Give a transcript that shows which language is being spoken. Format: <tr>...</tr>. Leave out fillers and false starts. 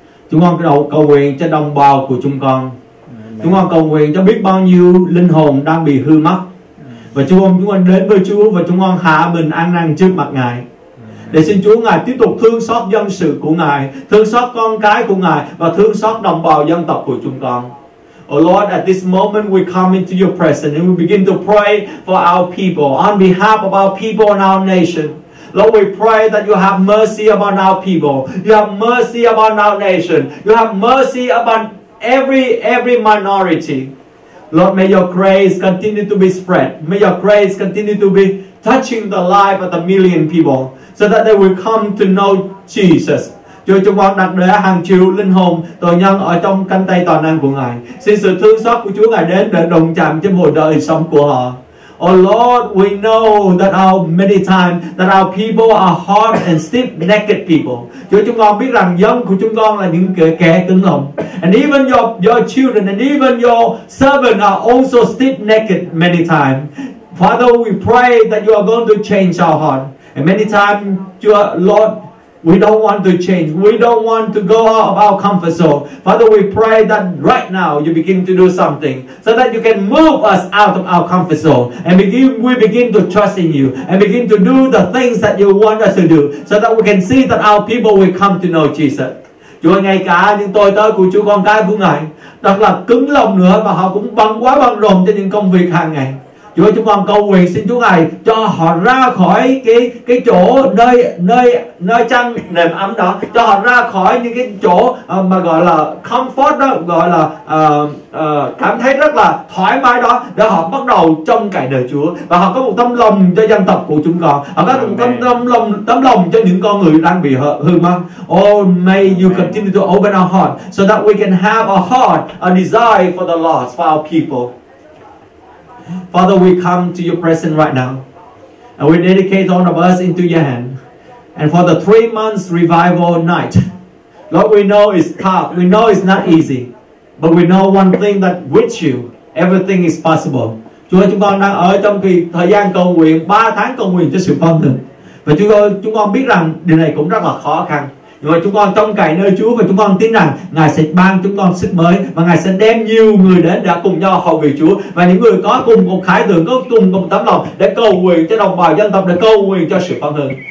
<vi>Chúng con cầu nguyện cho đồng bào của chúng con. Chúng con cầu nguyện cho biết bao nhiêu linh hồn đang bị hư mất. Và chúng con đến với Chúa và chúng con hạ mình ăn năn trước mặt Ngài. Để xin Chúa Ngài tiếp tục thương xót dân sự của Ngài, thương xót con cái của Ngài và thương xót đồng bào dân tộc của chúng con.</vi> <en>Oh Lord, at this moment we come into your presence and we begin to pray for our people, on behalf of our people and our nation. Lord, we pray that you have mercy upon our people. You have mercy upon our nation. You have mercy upon every minority. Lord, may your grace continue to be spread. May your grace continue to be touching the life of the million people so that they will come to know Jesus.</en> <vi>Chúa, chúng con đặt để hàng triệu linh hồn tội nhân ở trong cánh tay toàn năng của Ngài. Xin sự thương xót của Chúa Ngài đến để đồng chạm trên mỗi đời sống của họ.</vi> <en>Oh Lord, we know that our many times that our people are hard and stiff necked people.</en> <vi>Chúa, chúng con biết rằng dân của chúng con là những kẻ cứng lòng.</vi> <en>And even your children and even your servants are also stiff necked many times. Father, we pray that you are going to change our heart. And many times, Chúa, Lord, we don't want to change. We don't want to go out of our comfort zone. Father, we pray that right now you begin to do something so that you can move us out of our comfort zone. And we begin to trust in you and begin to do the things that you want us to do so that we can see that our people will come to know Jesus.</en> <vi>Chúa, ngay cả những tôi tớ của Chúa, con cái của Ngài, thật là cứng lòng nữa và họ cũng bận rộn cho những công việc hàng ngày. Chúa, chúng con cầu nguyện xin Chúa Ngài cho họ ra khỏi cái chỗ nơi chăn nệm ấm đó, cho họ ra khỏi những cái chỗ mà gọi là comfort đó, gọi là cảm thấy rất là thoải mái đó, để họ bắt đầu trông cậy đời Chúa và họ có một tấm lòng cho dân tộc của chúng con, họ có một tấm lòng cho những con người đang bị hư mất.</vi> <en>Oh, may you continue to open our heart so that we can have a heart, a desire for the lost, for our people. Father, we come to your presence right now, and we dedicate all of us into your hand. And for the 3 months revival night, Lord, we know it's tough, we know it's not easy, but we know one thing, that with you, everything is possible.</en> <vi>Chúa, chúng con đang ở trong kỳ thời gian cầu nguyện 3 tháng cầu nguyện cho sự phong thần. Và chúng con biết rằng điều này cũng rất là khó khăn, nhưng mà chúng con trông cậy nơi Chúa và chúng con tin rằng Ngài sẽ ban chúng con sức mới và Ngài sẽ đem nhiều người đến đã cùng nhau hầu việc Chúa và những người có cùng một khải tượng, có cùng một tấm lòng để cầu nguyện cho đồng bào dân tộc, để cầu nguyện cho sự phong thần.</vi>